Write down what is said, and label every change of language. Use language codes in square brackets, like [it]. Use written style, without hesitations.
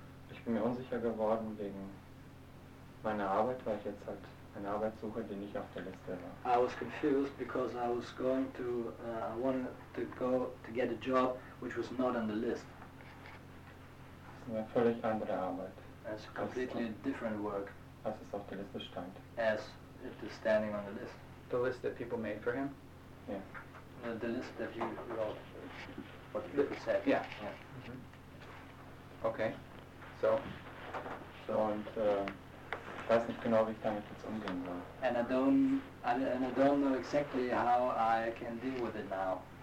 [de] Ich bin mir unsicher geworden wegen meiner Arbeit, weil ich jetzt halt eine Arbeit suche, die nicht auf der Liste war. [en] I was confused because I was going to, I wanted to go to get a job which was not on the list. [de] Das ist eine völlig andere Arbeit. [en] It's a completely different work. [de] Als es auf der Liste stand. [en] As it is standing on the list. The list that people made for him? Yeah. The list that you wrote, what you said. Yeah. Yeah. Mm-hmm. Okay. So? [de] So und, ich weiß nicht genau, wie ich damit jetzt umgehen soll. [en] And I don't know exactly how I can deal with it now.